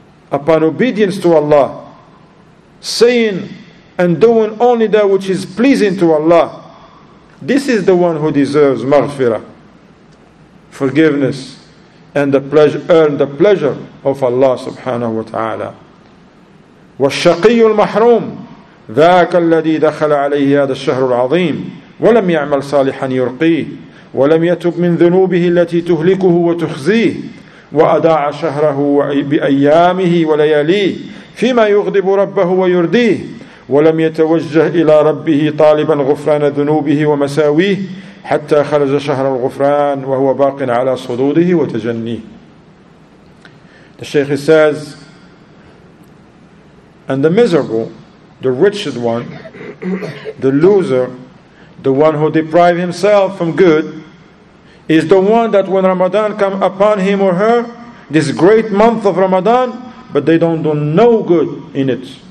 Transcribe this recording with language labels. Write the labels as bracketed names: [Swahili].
[English] Upon obedience to Allah, saying and doing only that which is pleasing to Allah, this is the one who deserves maghfirah, forgiveness, and the pleasure, earn the pleasure of Allah subhanahu wa ta'ala. [Arabic] والشقي المحروم ذاك الذي دخل عليه هذا الشهر العظيم ولم يعمل صالحا يرقيه ولم يتب من ذنوبه التي تهلكه وتخزيه وأضاع شهره بأيامه ولياليه فيما يغضب ربه ويرديه ولم يتوجه إلى ربه طالبا غفران ذنوبه ومساويه حتى خرج شهر الغفران وهو باق على صدوده وتجنيه. [English] The Sheikh says, and the miserable, the wretched one, the loser, the one who deprived himself from good, is the one that when Ramadan come upon him or her, this great month of Ramadan, but they don't do no good in it.